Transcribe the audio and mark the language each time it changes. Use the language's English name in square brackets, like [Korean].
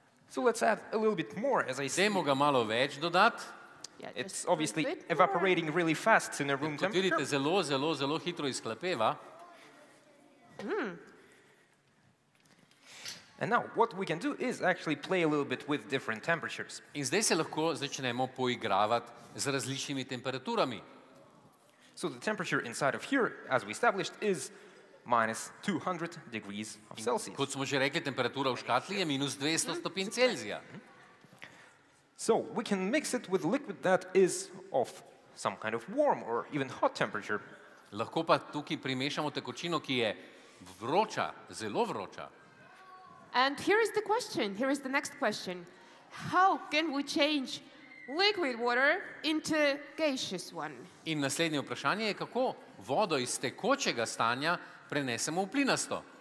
[English] So let's add a little bit more, as I see. [Slovenian] Dajmo ga malo več dodati. [English] Yeah, it's obviously evaporating more really fast in a room [Slovenian] temperature. Kot vidite, zelo, zelo, zelo hitro izhlapeva. Mm. [English] And now, what we can do is actually play a little bit with different temperatures. [Slovenian] In zdaj se lahko začnemo poigravati z različnimi temperaturami. [English] So the temperature inside of here, as we established, is minus 200 degrees of Celsius. [Slovenian] Kot smo že rekli, temperatura v škatli je minus 200 stopinj Celzija. [English] So we can mix it with liquid that is of some kind of warm or even hot temperature. [Slovenian] Lahko pa tukaj primešamo tekočino, ki je vroča, zelo vroča. [English] And here is the question, here is the next question. How can we change liquid water into gaseous one. [Slovenian] In naslednje vprašanje je, kako vodo iz tekočega stanja prenesemo v plinasto.